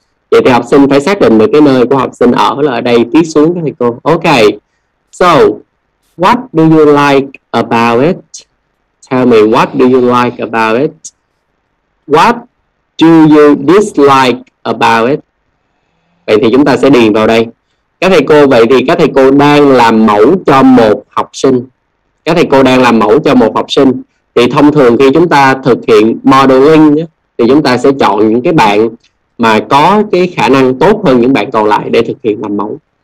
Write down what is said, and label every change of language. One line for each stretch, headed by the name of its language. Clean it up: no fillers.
Vietnamese: Vậy thì học sinh phải xác định được cái nơi của học sinh ở là ở đây, tiếp xuống các thầy cô.
English: Okay. So, what do you like about it? Tell me, what do you like about it? What do you dislike about it?
Vietnamese: Vậy thì chúng ta sẽ điền vào đây. Các thầy cô, vậy thì các thầy cô đang làm mẫu cho một học sinh. Các thầy cô đang làm mẫu cho một học sinh. Thì thông thường khi chúng ta thực hiện modeling thì chúng ta sẽ chọn những cái bạn mà có cái khả năng tốt hơn những bạn còn lại để thực hiện làm mẫu.